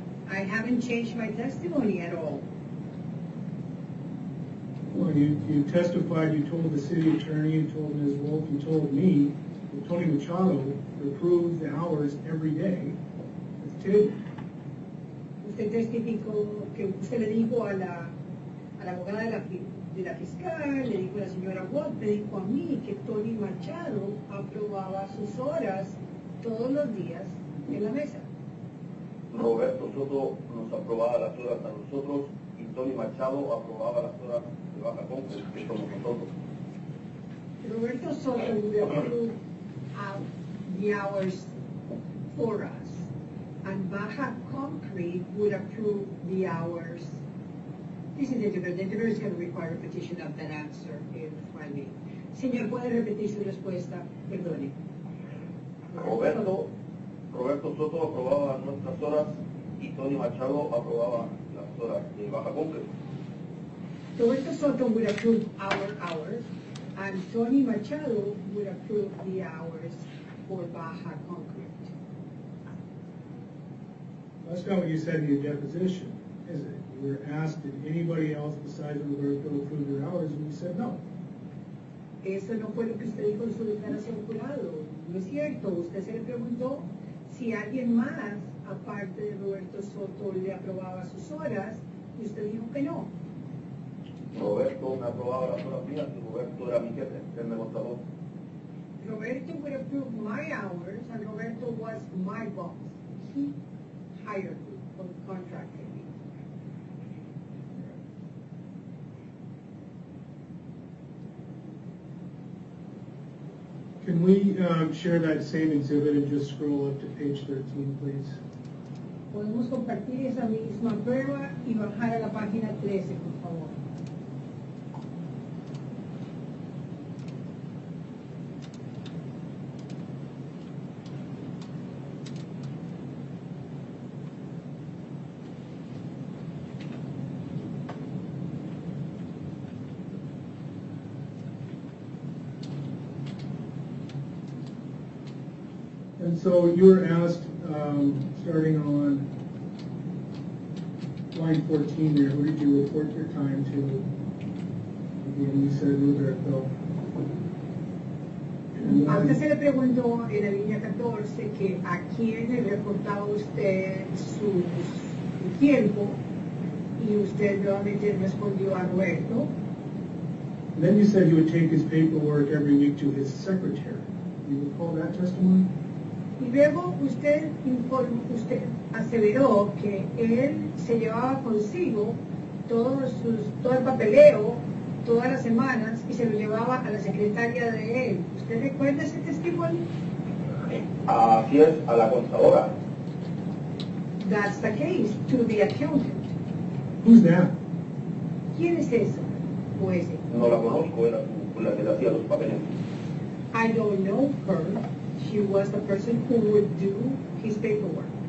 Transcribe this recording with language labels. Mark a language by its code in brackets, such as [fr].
[en] I haven't changed my testimony at all. [es] No. [en] Well, you testified, you told the city attorney, you told Ms. Wolf, you told me that Tony Machado approved the hours every day of two. [es] Usted testificó que usted le dijo a la abogada de la fiscal, le dijo a la señora Wolf, le dijo a mí que Tony Machado aprobaba sus horas todos los días en la mesa. Roberto Soto nos aprobaba las horas a nosotros y Tony Machado aprobaba las horas de Baja Conca, que somos nosotros. [en] Roberto Soto would approve the hours for us, and Baja Concrete would approve the hours. This is the interview is going to require repetition of that answer, if I may. [es] Señor, ¿puede repetir su respuesta? Perdone. Roberto Soto aprobaba nuestras horas y Tony Machado aprobaba las horas de Baja Concrete. [en] Roberto Soto would approve our hours, and Tony Machado would approve the hours for Baja Concrete. That's not what you said in your deposition, is it? You were asked, did anybody else besides Roberto approve your hours, and you said no. [es] Eso no fue lo que usted dijo en su declaración jurado. No es cierto. Usted se le preguntó si alguien más, aparte de Roberto Soto, le aprobaba sus horas, y usted dijo que no. Roberto me aprobaba las horas mías, y Roberto era mi jefe, él me contaba. [en] Roberto would approve my hours, and Roberto was my boss. He hired me, or contracted me. Can we share that same exhibit and just scroll up to page 13, please? [es] Podemos compartir esa misma prueba y bajar a la página 13, por favor. [en] So you were asked, starting on line 14 there, who did you report your time to? Again, you said Roberto. [es] A usted se le preguntó en la línea 14 que a quién le reportaba usted su tiempo, y usted realmente respondió a Roberto. [en] Then you said you would take his paperwork every week to his secretary. Do you recall that testimony? [es] Y luego usted aseveró que él se llevaba consigo todo el papeleo todas las semanas y se lo llevaba a la secretaria de él. ¿Usted recuerda ese testimonio? Así es, a la contadora. [en] That's the case, to the accountant. Who's that? [es] ¿Quién es esa o ese? No la conozco, era la que le hacía los papeles. [en] I don't know her. She was the person who would do his paperwork.